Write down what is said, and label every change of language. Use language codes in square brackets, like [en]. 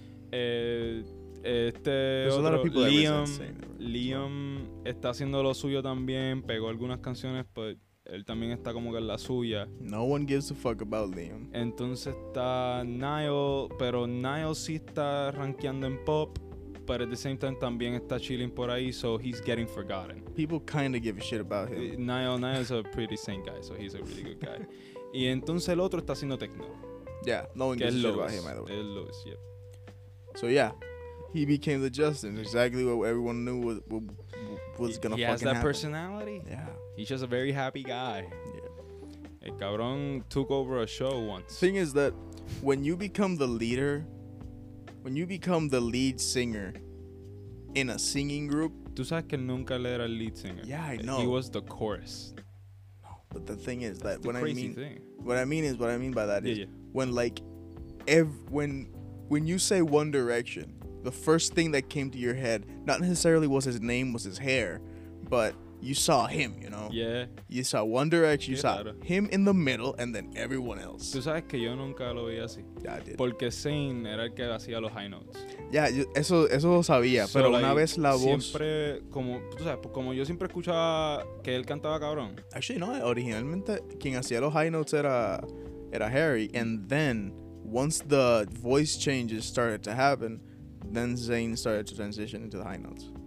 [en] There's otro, a lot of people Liam, that Zayn. [es] Liam está haciendo lo suyo también, pegó algunas canciones, pero él también está como que en la suya. [en] No one gives a fuck about Liam. [es] Entonces está Niall, pero Niall sí está rankeando en pop. [en] But at the same time, [es] también está chilling por ahí, [en] so he's getting forgotten. People kind of give a shit about him. Niall's a pretty sane guy, so he's a really good guy. [es] Y entonces el otro está haciendo techno. [en] Yeah, no one gives a shit about him, by the way. [es] El Lewis, yep. [en] So yeah, he became the Justin, exactly what everyone knew was going to fucking happen. He has that personality. Yeah. He's just a very happy guy. Yeah. [es] El cabrón [en] took over a show once. Thing is that when you become the leader... When you become the lead singer in a singing group... [es] Tú sabes que nunca le era el lead singer. [en] Yeah, I know. He was the chorus. No, but the thing is that... That's what I mean, thing. What I mean by that is... Yeah, yeah. When, like... When you say One Direction, the first thing that came to your head, not necessarily was his name, was his hair, but you saw him, you know? Yeah. You saw One Direction, you saw him in the middle, and then everyone else. [es] Tú sabes que yo nunca lo vi así. [en] Yeah, I did. [es] Porque Zayn era el que hacía los high notes. Yeah, eso lo sabía, [en] so, [es] pero [en] like, [es] una vez la voz... Siempre, como, tú sabes, como yo siempre escuchaba que él cantaba cabrón. [en] Actually, no, originalmente quien hacía los high notes era Harry, and then once the voice changes started to happen, then Zayn started to transition into the high notes.